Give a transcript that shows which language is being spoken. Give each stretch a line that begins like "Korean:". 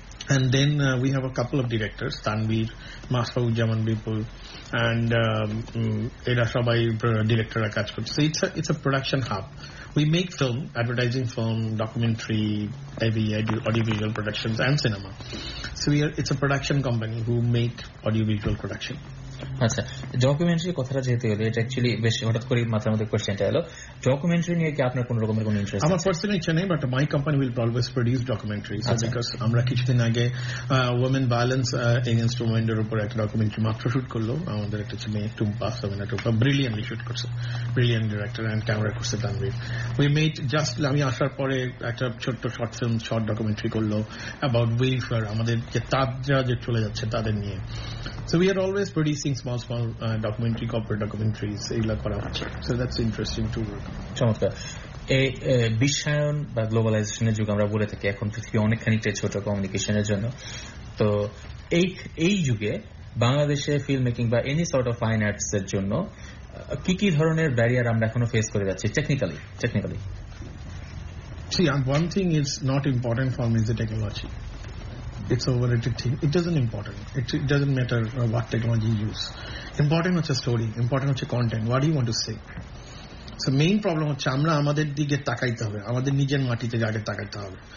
English: And then we have a couple of directors, Tanvir, Masfaud Jaman Bipul, and Eda Shabai, director Akash Kutch. So it's a production hub. We make film, advertising film, documentary, audiovisual productions, and cinema. So it's a production company who make audiovisual production.
Bangla: আচ্ছা, ডকুমেন্টারির কথাটা যেহেতু এলো, এটা actually বেশ হঠাৎ করে মাথার মধ্যে কোয়েশ্চনটা এলো, ডকুমেন্টারি নিয়ে কি আপনার কোন রকমের কোন ইন্টারেস্ট? আমার পার্সোনাল ইচ্ছা নেই,
English: but my company will always produce documentary, because
Bangla: আমরা কিছুদিন আগে ওমেন ব্যালেন্স এগেনস্ট ওমেনদের উপর একটা ডকুমেন্টারি মাত্র শুট করলো, আমাদের একটা ছেলে টুম্পা সেভেনা টুম্পা ব্রিলিয়ান্টলি শুট করছে,
English: brilliant director and camera
Bangla: করছে তানভীর।
English: we made just
Bangla: আমি আসার পরে একটা ছোট্ট শর্ট ফিল্ম শর্ট ডকুমেন্টারি করলো
English: about welfare,
Bangla: আমাদের যে তাজরা যে চলে যাচ্ছে তাদের নিয়ে।
English: So we are always producing small, small documentary, corporate documentaries. So that's interesting to work on.
Bangla: এই বিশ্বায়ন বা গ্লোবালাইজেশনের যুগ আমরা বলে থাকি, এখন পৃথিবী অনেক খানিকটাই ছোট কমিউনিকেশনের জন্য, তো এই যুগে বাংলাদেশে ফিল্ম মেকিং বা
English: any sort of fine arts
Bangla: এর জন্য কি কি ধরনের ব্যারিয়ার আমরা এখনো ফেস করে যাচ্ছি technically?
English: See, one thing is not important for me is the technology. It's an overrated thing. It doesn't important. It doesn't matter what technology you use. Important is a story. Important is a content. What do you want to say? So main problem is that we have to get stuck in the middle of the world.